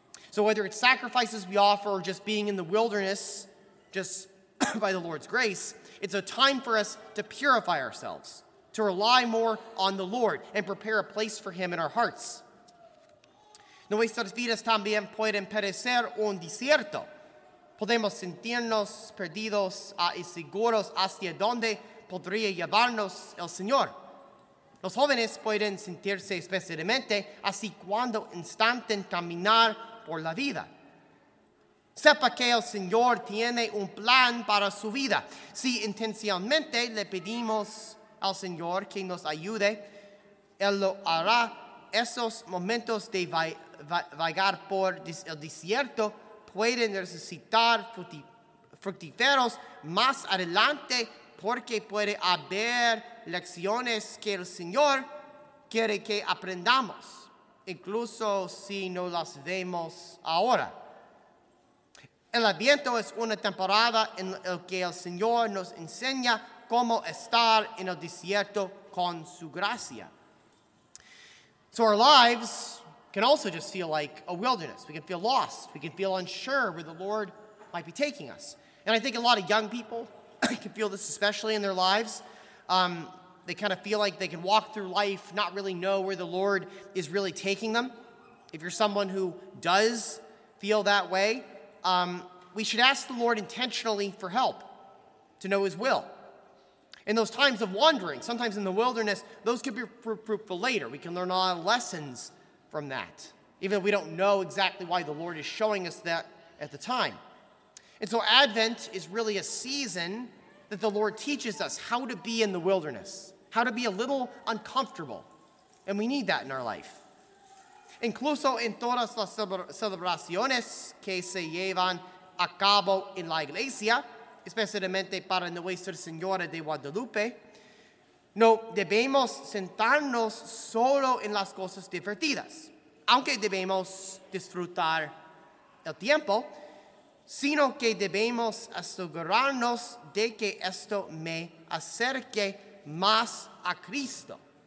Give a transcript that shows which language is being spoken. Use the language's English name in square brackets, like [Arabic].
[English] So whether it's sacrifices we offer or just being in the wilderness, just by the Lord's grace, it's a time for us to purify ourselves, to rely more on the Lord and prepare a place for him in our hearts. [Spanish] Nuestras vidas también pueden parecer un desierto. Podemos sentirnos perdidos e inseguros hacia donde podría llevarnos el Señor. Los jóvenes pueden sentirse especialmente así cuando intentan caminar por la vida. Sepa que el Señor tiene un plan para su vida. Si intencionalmente le pedimos al Señor que nos ayude, Él lo hará. Esos momentos de vagar por el desierto pueden resucitar fructíferos más adelante, porque puede haber lecciones que el Señor quiere que aprendamos, incluso si no las vemos ahora. El Adviento es una temporada en la que el Señor nos enseña cómo estar en el desierto con su gracia. [English] So our lives can also just feel like a wilderness. We can feel lost. We can feel unsure where the Lord might be taking us. And I think a lot of young people can feel this, especially in their lives. They kind of feel like they can walk through life, not really know where the Lord is really taking them. If you're someone who does feel that way, we should ask the Lord intentionally for help to know his will. In those times of wandering, sometimes in the wilderness, those could be fruitful later. We can learn a lot of lessons from that, even if we don't know exactly why the Lord is showing us that at the time. And so Advent is really a season that the Lord teaches us how to be in the wilderness, how to be a little uncomfortable. And we need that in our life. [Spanish] Incluso en todas las celebraciones que se llevan a cabo en la iglesia, especialmente para Nuestra Señora de Guadalupe, no debemos sentarnos solo en las cosas divertidas, aunque debemos disfrutar el tiempo, sino que debemos asegurarnos de que esto me acerque más a Cristo.